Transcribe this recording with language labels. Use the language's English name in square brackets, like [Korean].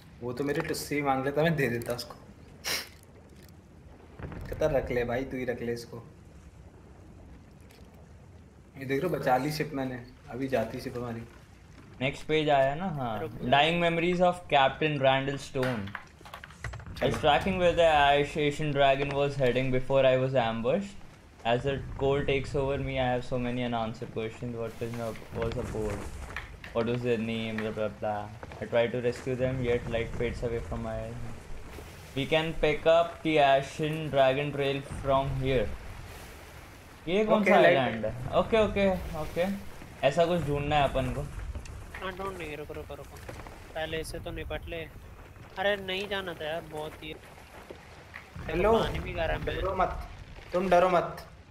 [Hindi] वो तो मेरी टुस्सी मांग लेता मैं दे देता उसको पता रख ले भाई, तू ही रख ले इसको। ये देख रहे हो, बचा ली शिप मैंने, अभी जाती शिप हमारी। नेक्स्ट पेज आया ना। [English] हाँ, dying memories of Captain Randall Stone. I was tracking where the Ashian Dragon was heading before I was ambushed. As the cold takes over me, I have so many unanswered questions. What was aboard? What was their name? Blah blah blah. I tried to rescue them, yet light fades away from my eyes. We can pick up the Ashian Dragon trail from here. [Hindi] ये कौन सा island है? [English] Okay okay okay. [Hindi] ऐसा कुछ ढूँढना है अपन को। ढूँढ नहीं, रुको रुको रुको। पहले इसे तो निपट ले। अरे नहीं जाना था यार, बहुत ही। हेलो, पानी भी गर्म है। डरो मत, तुम डरो मत।